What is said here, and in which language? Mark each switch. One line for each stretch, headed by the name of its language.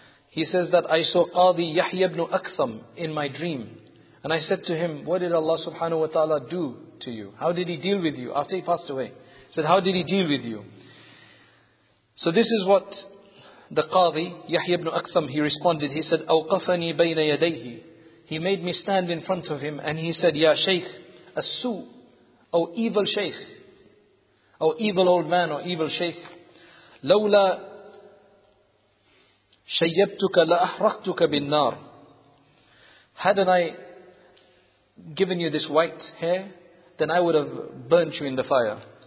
English: He says that I saw Qadi Yahya ibn Aktham in my dream. And I said to him, what did Allah subhanahu wa ta'ala do to you? How did he deal with you after he passed away? He said, how did he deal with you? So this is what the Qadi Yahya ibn Aktham, he responded. He said,
Arabic: أَوْقَفَنِي بَيْنَ يَدَيْهِ.
English: He made me stand in front of him and he said,
Arabic: Ya Shaykh, As-su,
English: O evil Shaykh, O evil old man, O evil Shaykh,
Arabic: لَوْلَا شَيَّبْتُكَ لَأَحْرَقْتُكَ بِالنَّارِ.
English: Hadn't I given you this white hair, then I would have burnt you in the fire.